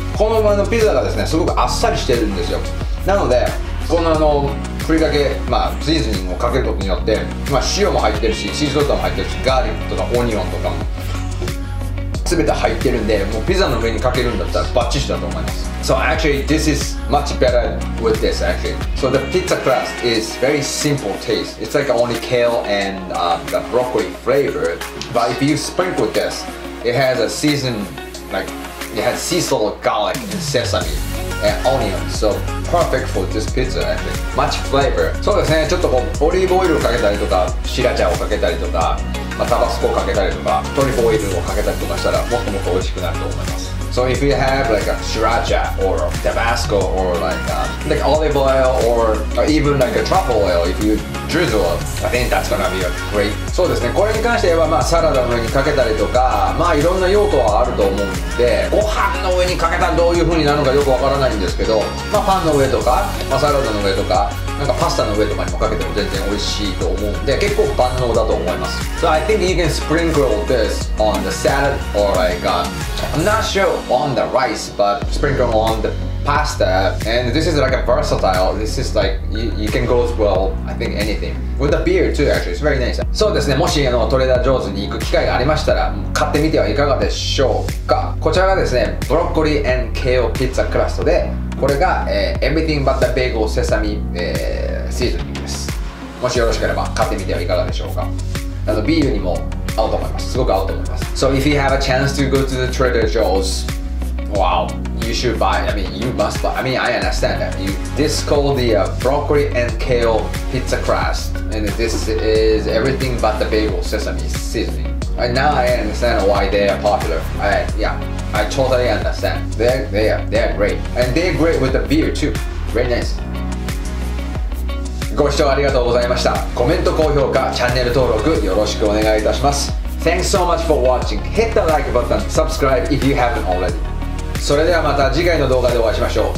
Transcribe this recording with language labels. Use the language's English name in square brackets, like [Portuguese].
[Japanese] この上のピザがですね、すごくあっさりしてるんですよ。なのでこのふりかけ、まあシーズニングをかけることによって、まあ塩も入ってるし、シーソルトも入ってるし、ガーリックとかオニオンとかも全て入ってるんで、もうピザの上にかけるんだったらバッチリだと思います。 [English] So actually this is much better with this actually. So the pizza crust is very simple taste. It's like only kale and the broccoli flavor. But if you sprinkle this, it has a season, like it has sea salt, garlic and sesame and onion. So perfect for this pizza actually. Much flavor. [Japanese] そうですね、ちょっとこうオリーブオイルをかけたりとか、シラチャをかけたりとか、タバスコをかけたりとか、トリュフオイルをかけたりとかしたら、もっともっと美味しくなると思います。 [English] So if you have like a sriracha or tabasco or like olive oil or even like a truffle oil, if you drizzle, I think that's gonna be a great. [Japanese] そうですね。これに関してはまあサラダの上にかけたりとか、まあいろんな用途はあると思うんで、ご飯の上にかけたらどういう風になるのかよくわからないんですけど、まあパンの上とか、まあサラダの上とか、なんかパスタの上とかにもかけても全然美味しいと思うんで、結構万能だと思います。 [English] So I think you can sprinkle this on the salad or like I'm not sure on the rice, but sprinkle on the pasta. And this is like a versatile. This is like you can go as well, I think anything. With the beer too actually, it's very nice. [Japanese] そうですね、もしトレーダージョーズに行く機会がありましたら買ってみてはいかがでしょうか。こちらがですね、ブロッコリー [English] and kale pizza crust [Japanese] で、これが、Everything but the bagel sesame、シーズニングです。もしよろしければ買ってみてはいかがでしょうか。あのビールにも合うと思います。すごく合うと思います。 [English] So if you have a chance to go to the Trader Joe's, wow, you should buy. I mean, you must buy. I mean, I understand that. This is called the broccoli and kale pizza crust, and this is everything but the bagel sesame seasoning. And now I understand why they are popular. I totally understand. They are great. And they are great with the beer too. Very nice. [Japanese] ご視聴ありがとうございました。コメント、高評価、チャンネル登録よろしくお願いいたします。 [English] Thanks so much for watching. Hit the like button. Subscribe if you haven't already. [Japanese] それではまた次回の動画でお会いしましょう。